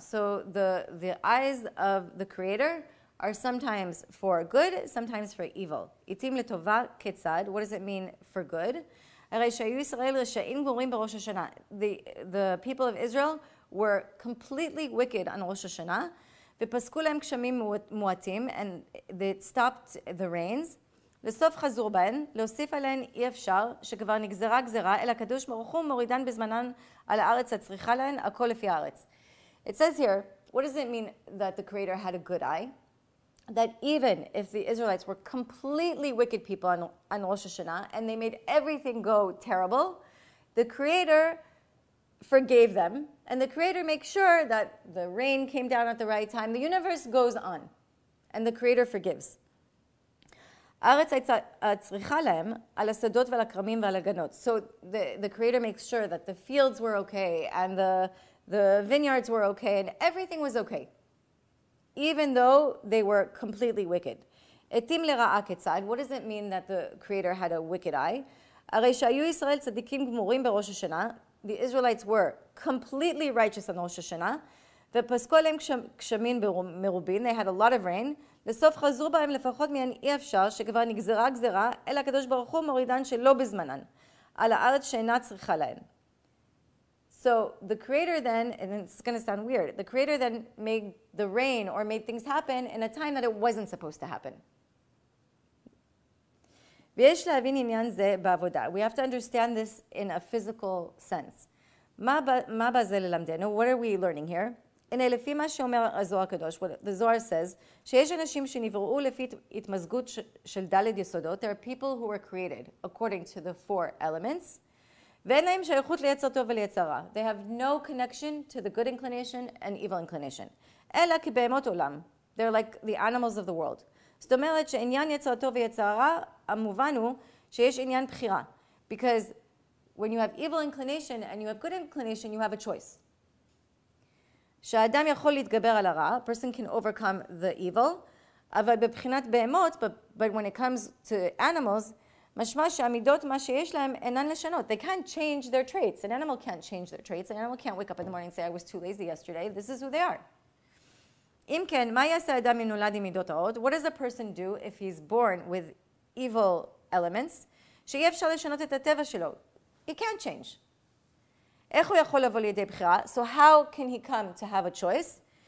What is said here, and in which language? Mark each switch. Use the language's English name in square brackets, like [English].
[English] So the eyes of the Creator are sometimes for good, sometimes for evil. [Hebrew] Itim letova ketzad, [English] what does it mean for good? The people of Israel were completely wicked on Rosh Hashanah. [Hebrew] V'pasku lehem kshamim muatim, [English] and they stopped the rains. [Hebrew] לסוף חזור בהן, להוסיף עליהן אי אפשר, שכבר נגזרה גזרה, אלא קדוש ברוך הוא מורידן בזמנן על הארץ הצריכה להן, הכל לפי הארץ. [English] It says here, what does it mean that the Creator had a good eye? That even if the Israelites were completely wicked people on Rosh Hashanah, and they made everything go terrible, the Creator forgave them, and the Creator makes sure that the rain came down at the right time, the universe goes on, and the Creator forgives. So the Creator makes sure that the fields were okay and the vineyards were okay and everything was okay, even though they were completely wicked. What does it mean that the Creator had a wicked eye? The Israelites were completely righteous on Rosh Hashanah. They had a lot of rain. [Hebrew] לסוף חזרו בהם לפחות מהן אי אפשר שכבר נגזרה גזרה, אלא הקדוש ברוך הוא מורידן שלא בזמנן, על הארץ שאינה צריכה להן. [English] So the Creator then, and it's going to sound weird, the Creator then made the rain or made things happen in a time that it wasn't supposed to happen. [Hebrew] ויש להבין עניין זה בעבודה. [English] We have to understand this in a physical sense. [Hebrew] מה בזה ללמדנו? [English] What are we learning here? [Hebrew] הנה לפי מה שאומר הזוהר הקדוש, [English] what the Zohar says, [Hebrew] שיש אנשים שנבראו לפי התמזגות של דלת יסודות, [English] there are people who were created according to the four elements, [Hebrew] ואין להם שייכות ליצר טוב וליצר רע. [English] They have no connection to the good inclination and evil inclination. [Hebrew] אלא כבהמות עולם. [English] They're like the animals of the world. [Hebrew] זאת אומרת שעניין יצרתו ויצרה, המובן הוא שיש עניין בחירה. [English] Because when you have evil inclination and you have good inclination, you have a choice. [Hebrew] שהאדם יכול להתגבר על הרע, [English] a person can overcome the evil, [Hebrew] אבל בבחינת בהמות, [English] but when it comes to animals, [Hebrew] משמע שהמידות מה שיש להם אינן לשנות. [English] They can't change their traits. An animal can't change their traits. An animal can't wake up in the morning and say, I was too lazy yesterday. This is who they are. [Hebrew] אם כן, מה יעשה האדם אם נולד עם מידות הרעות? [English] What does a person do if he's born with evil elements? [Hebrew] שאי אפשר לשנות את הטבע שלו. [English] He can't change. [Hebrew] איך הוא יכול לבוא לידי בחירה? [English] So how can he come to have a choice?